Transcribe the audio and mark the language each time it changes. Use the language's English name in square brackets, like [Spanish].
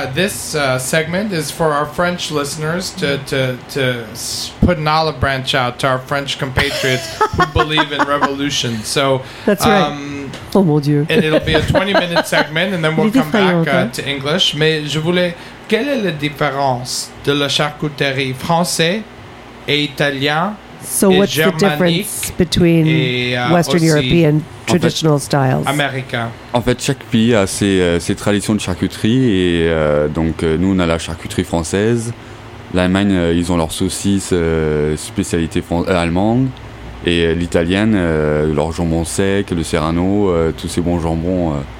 [English] This segment is for our French listeners to put an olive branch out to our French compatriots who believe in revolution. So that's right. [French] Oh mon Dieu. [English] And it'll be a 20-minute segment, and then we'll come back to English. [French] Mais je voulais, quelle est la différence de la charcuterie français et italien? [English] So what's the difference between Western European traditional styles? [French] Américain. En fait, chaque pays a ses traditions de charcuterie. Et donc, nous, on a la charcuterie française. L'Allemagne, ils ont leurs saucisses, spécialité allemande. Et l'italienne, leur jambon sec, le serrano, tous ces bons jambons.